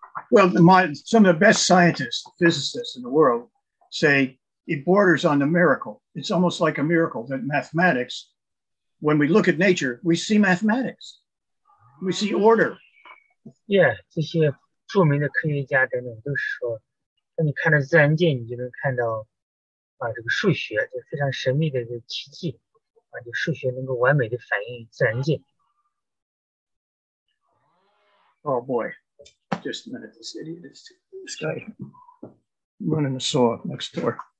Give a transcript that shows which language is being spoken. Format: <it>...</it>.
<en>Well, some of the best scientists, physicists in the world say it borders on the miracle. It's almost like a miracle that mathematics, when we look at nature, we see mathematics. We see order.</en> <zh>Yeah, 这些著名的科学家等等都是说，当你看到自然界，你就能看到这个数学，就非常神秘的这个奇迹。就数学能够完美的反映自然界。</zh> <en>Oh boy, just a minute, this idiot is this guy running the saw next door.</en>